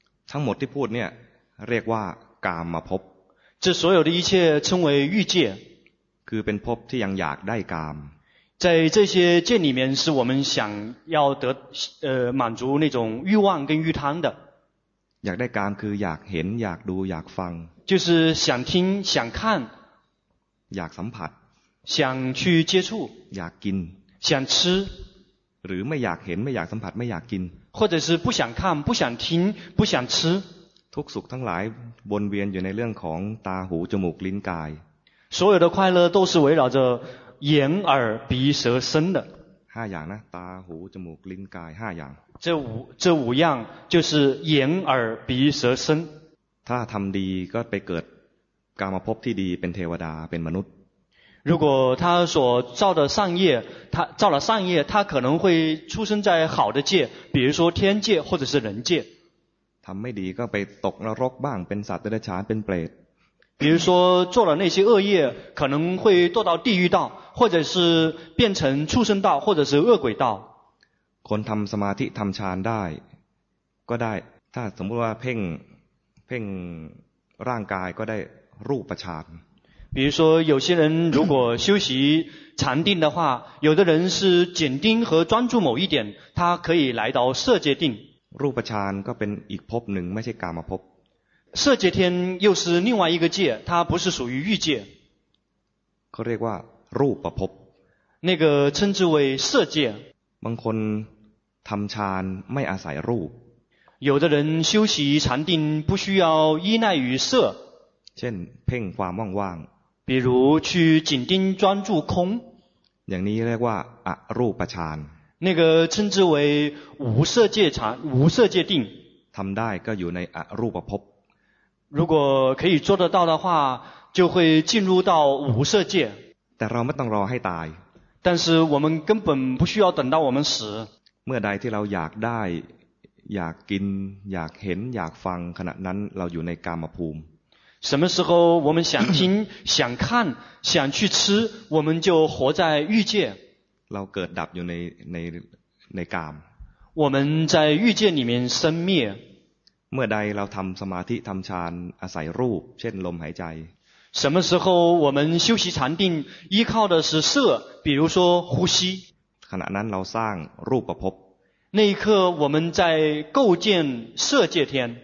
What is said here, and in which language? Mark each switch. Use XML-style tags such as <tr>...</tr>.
<th>ทั้งหมดที่พูดเนี่ยเรียกว่ากามภพ</th> <zh>这所有的一切称为欲界</zh> <th>คือเป็นภพที่ยังอยากได้กาม</th> <zh>在这些界里面是我们想要得满足那种欲望跟欲贪的</zh> <th>อยากได้กามคืออยากเห็นอยากดูอยากฟัง</th> <zh>就是想听想看</zh> <th>อยากสัมผัส</th> <zh>想去接触</zh> <th>อยากกิน</th> <zh>想吃</zh> <th>หรือไม่อยากเห็นไม่อยากสัมผัสไม่อยากกิน</th> <zh>或者是不想看不想听不想吃</zh> <th>ทุกสุขทั้งหลายวนเวียนอยู่ในเรื่องของตาหูจมูกลิ้นกาย</th> <zh>所有的快乐都是围绕着眼耳鼻舌身的</zh> <th>5อย่างนะตาหูจมูกลิ้นกาย5อย่าง</th> <zh>这五样就是眼耳鼻舌身</zh> <th>ถ้าทำดีก็ไปเกิดกามภพที่ดีเป็นเทวดาเป็นมนุษย์</th> <zh>如果他所造的善业他造了善业他可能会出生在好的界比如说天界或者是人界</zh> <th>ทำไม่ดีก็ไปตกนรกบ้างเป็นสัตว์เดรัจฉานเป็นเปรต</th> <zh>比如说做了那些恶业可能会堕到地狱道或者是变成畜生道或者是恶鬼道</zh> <th>คนทำสมาธิทำฌานได้ก็ได้ถ้าสมมติว่าเพ่งร่างกายก็ได้รูปฌาน</th> <zh>比如说有些人如果修习禅定的话有的人是紧盯和专注某一点他可以来到色界定</zh> <th>รูปฌานก็เป็นอีกภพหนึ่งไม่ใช่กามภพ</th> <zh>色界天又是另外一个界它不是属于欲界</zh> <th>เขาเรียกว่ารูปภพ</th> <zh>那个称之为色界</zh> <th>บางคนทำฌานไม่อาศัยรูป</th> <zh>有的人修习禅定不需要依赖于色</zh> <th>เช่นเพ่งความว่าง</th> <zh>ๆ比如去紧盯专注空</zh> <th>อย่างนี้เรียกว่าอรูปฌาน</th> <zh>那个称之为无色界禅无色界定</zh> <th>ทำได้ก็อยู่ในอรูปภพ</th> <zh>如果可以做得到的话就会进入到无色界</zh> <th>แต่เราไม่ต้องรอให้ตาย</th> <zh>但是我们根本不需要等到我们死</zh> <th>เมื่อใดที่เราอยากได้อยากกินอยากเห็นอยากฟังขณะนั้นเราอยู่ในกามภูมิ</th> <zh>什么时候我们想听想看想去吃我们就活在欲界</zh> <th>เราเกิดดับอยู่ในกาม</th> <zh>我们在欲界里面生灭</zh> <th>เมื่อใดเราทำสมาธิทำฌานอาศัยรูปเช่นลมหายใจ</th> <zh>什么时候我们修习禅定依靠的是色比如说呼吸</zh> <th>ขณะนั้นเราสร้างรูปภพ</th> <zh>那一刻我们在构建色界天</zh>